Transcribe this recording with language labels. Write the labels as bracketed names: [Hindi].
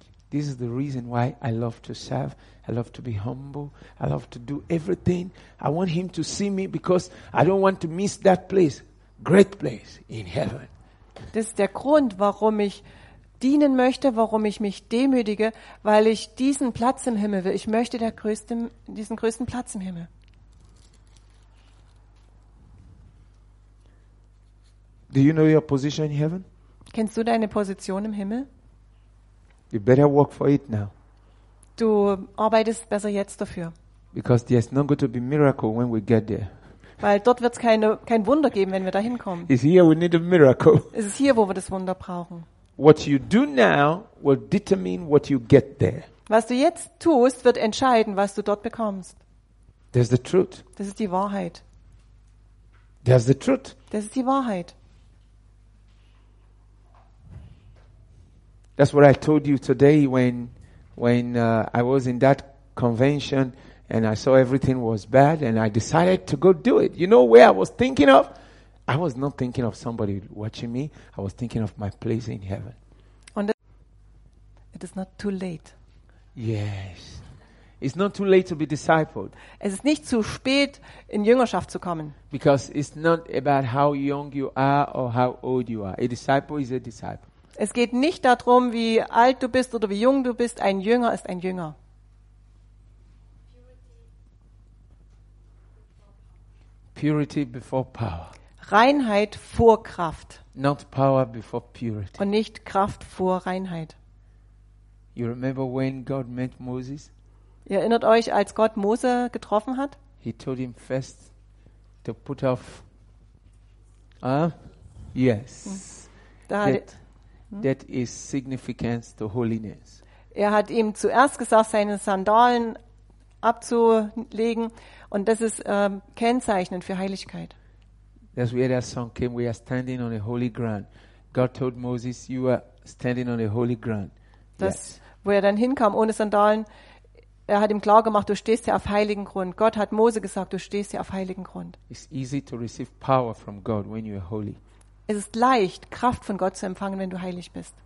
[English] This is the reason why I love to serve. I love to be humble. I love to do everything. I want him to see me because I don't want to miss that place, great place in heaven. [German] Das ist der Grund, warum ich dienen möchte, warum ich mich demütige, weil ich diesen Platz im Himmel will. Ich möchte diesen größten Platz im Himmel. [English] Do you know your position in heaven? [German] Kennst du deine Position im Himmel? [English] You better work for it now. [German] Du arbeitest besser jetzt dafür. [English] Because there's not going to be miracle when we get there. [German] Weil dort wird's kein Wunder geben, wenn wir da hinkommen. [English] It's here we need a miracle. [German] Es ist hier, wo wir das Wunder brauchen. [English] What you do now will determine what you get there. [German] Was du jetzt tust, wird entscheiden, was du dort bekommst. [English] There's the truth. [German] Das ist die Wahrheit. [English] There's the truth. [German] Das ist die Wahrheit. [English] That's what I told you today when I was in that convention and I saw everything was bad and I decided to go do it. You know where I was thinking of? I was not thinking of somebody watching me. I was thinking of my place in heaven. And it is not too late. Yes. It's not too late to be discipled. [German] Es ist nicht zu spät, in Jüngerschaft zu kommen. [English] Because it's not about how young you are or how old you are. A disciple is a disciple. [German] Es geht nicht darum, wie alt du bist oder wie jung du bist. Ein Jünger ist ein Jünger. [English] Purity before power. [German] Reinheit vor Kraft. [English] Not power before purity. [German] Und nicht Kraft vor Reinheit. [English] You remember when God met Moses? [German] Ihr erinnert euch, als Gott Mose getroffen hat? [English] He told him first to put off. Yes. That is significance to holiness. [German] Er hat ihm zuerst gesagt, seine Sandalen abzulegen, und das ist kennzeichnend für Heiligkeit. [English] That's where that song came. We are standing on a holy ground. God told Moses, "You are standing on a holy ground." [German] Das, wo er dann hinkam ohne Sandalen, er hat ihm klar gemacht: Du stehst hier auf heiligen Grund. Gott hat Mose gesagt: Du stehst hier auf heiligen Grund. [English] It's easy to receive power from God when you are holy. [German] Es ist leicht, Kraft von Gott zu empfangen, wenn du heilig bist.